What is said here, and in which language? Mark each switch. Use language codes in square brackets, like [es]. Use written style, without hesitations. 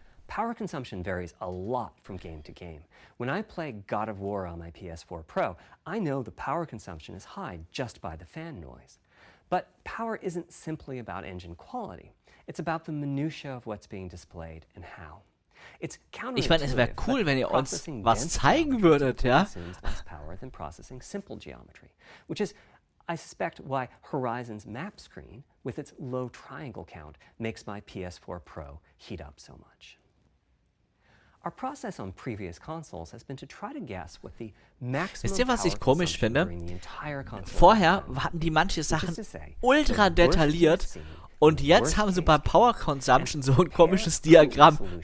[en] Power consumption varies a lot from game to game. When I play God of War on my PS4 Pro, I know the power consumption is high just by the fan noise. But power isn't simply about engine quality. It's about the minutiae of what's being displayed and how. It's [de] ich meine, es wäre cool, wenn ihr uns was zeigen würdet, ja? [en] Less power than processing simple geometry, which is, I suspect, why Horizon's map screen, with its low triangle count, makes my PS4 Pro heat up so much. Our process on previous consoles has been to try to guess what the maximum. [de] Wisst ihr, was ich komisch finde? Vorher hatten die manche Sachen ultra detailliert und jetzt haben sie bei Power Consumption so ein komisches Diagramm.